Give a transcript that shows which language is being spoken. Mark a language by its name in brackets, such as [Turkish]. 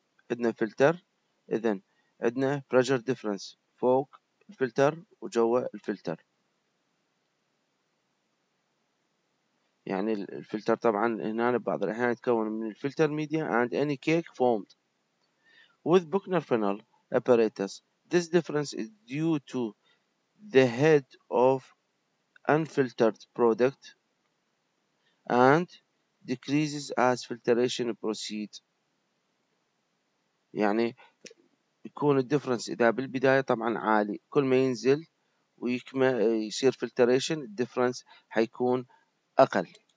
[Arabic] عندنا فلتر اذا عندنا pressure difference فوق الفلتر وجوا الفلتر. يعني الفلتر طبعا هنا بعض الاحيان يتكون من الفلتر ميديا [English] and any cake formed with Buchner funnel apparatus. This difference is due to the head of unfiltered product and decreases as filtration proceeds. [Arabic] يعني يكون الدفرنس إذا بالبداية طبعا عالي كل ما ينزل ويصير filtration الدفرنس حيكون أقل.